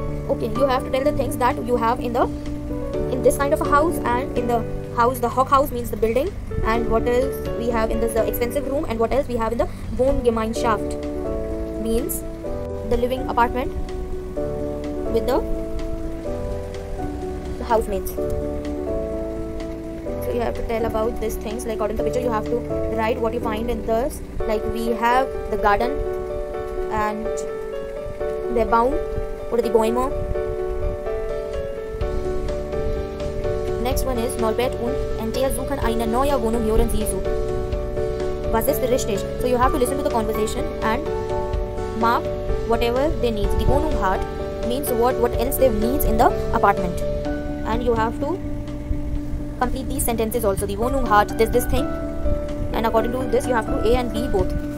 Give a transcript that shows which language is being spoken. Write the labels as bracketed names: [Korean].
[English] Okay, you have to tell the things that you have in this kind of a house and in the house, the Hochhaus means the building, and what else we have in the expensive room and what else we have in the Wohngemeinschaft means the living apartment with the housemates. So you have to tell about these things, like according to the picture you have to write what you find in this. Like we have the garden and the baum or the boima. Next one is [German] Norbert und Antea suchen eine neue Wohnung hier in Sisu. Was ist richtig? [English] So you have to listen to the conversation and mark whatever they need. The Wohnung hat means what else they need in the apartment. And you have to complete these sentences also. The Wohnung hat this thing. And according to this, you have to A and B both.